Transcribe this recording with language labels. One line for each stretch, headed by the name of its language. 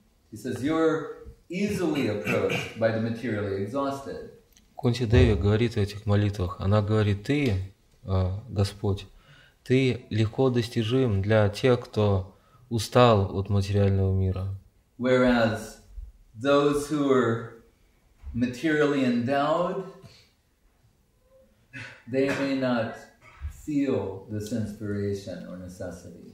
English: He says, you're easily approached by the materially exhausted.
Russian: Кунти Деви говорит в этих молитвах. Она говорит: ты, Господь, ты легко достижим для тех, кто устал от материального мира.
English: Whereas those who are materially endowed, they may not feel this inspiration or necessity.